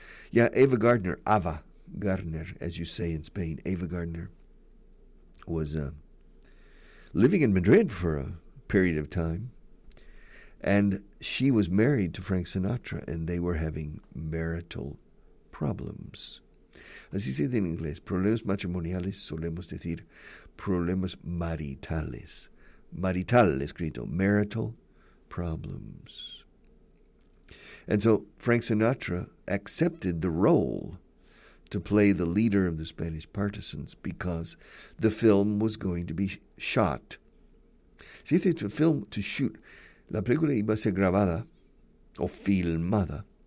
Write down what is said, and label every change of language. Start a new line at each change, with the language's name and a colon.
English: Yeah, Ava Gardner, Ava Gardner, as you say in Spain, Ava Gardner was living in Madrid for a period of time, and she was married to Frank Sinatra, and they were having marital problems.
Spanish: Así se dice en inglés, problemas matrimoniales, solemos decir problemas maritales.
English: Marital,
Spanish: escrito,
English: marital problems. And so Frank Sinatra accepted the role to play the leader of the Spanish partisans because the film was going to be shot.
Spanish: Se dice
English: to film, to shoot.
Spanish: La película iba a ser grabada o filmada.